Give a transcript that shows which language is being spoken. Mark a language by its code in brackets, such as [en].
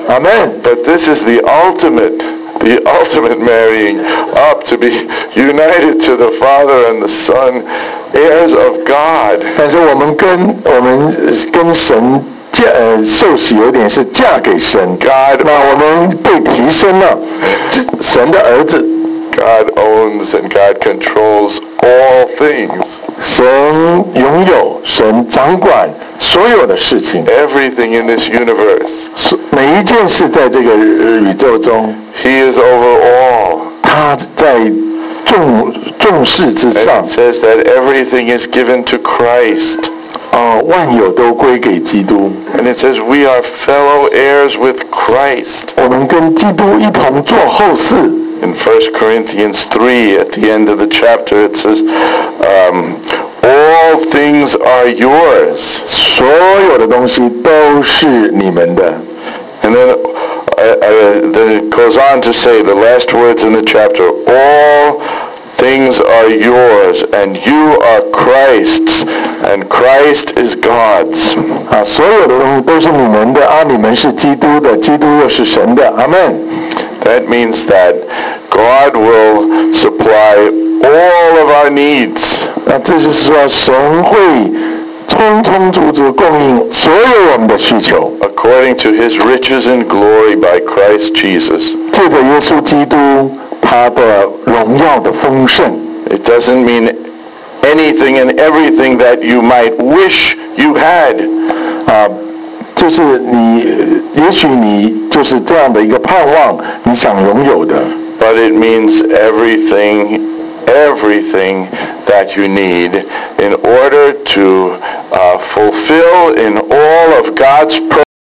[en] Amen. But this is the ultimate marrying up, to be united to the Father and the Son, heirs of God. [zh] 但是我们跟神受洗有点是嫁给神。 [en] God, [zh] 那我们被提升了，神的儿子。 [en] God owns and God controls all things. [zh] 神拥有，神掌管所有的事情。 [en] Everything in this universe. [zh] 每一件事在这个宇宙中。 [en] He is over all. [zh] 他在众事之上。 [en] And it says that everything is given to Christ. [zh] 万有都归给基督。 [en] And it says we are fellow heirs with Christ. [zh] 我们跟基督一同做后嗣。 [en] In 1 Corinthians 3, at the end of the chapter, it says, all things are yours. [zh] 所有的东西都是你们的。 [en] And then it goes on to say, the last words in the chapter, all things are yours, and you are Christ's, and Christ is God's. [zh] 所有的东西都是你们的，你们是基督的，基督又是神的。 [en] Amen. That means that God will supply all of our needs. [zh] 那这就是说神会充充足足供应所有我们的需求。 [en] According to His riches and glory by Christ Jesus. [zh] 借着耶稣基督他的荣耀的丰盛。 [en] It doesn't mean anything and everything that you might wish you had. [zh] 就是你，也许你就是这样的一个盼望，你想拥有的。 [en] But it means everything that you need in order to fulfill in all of God's purpose.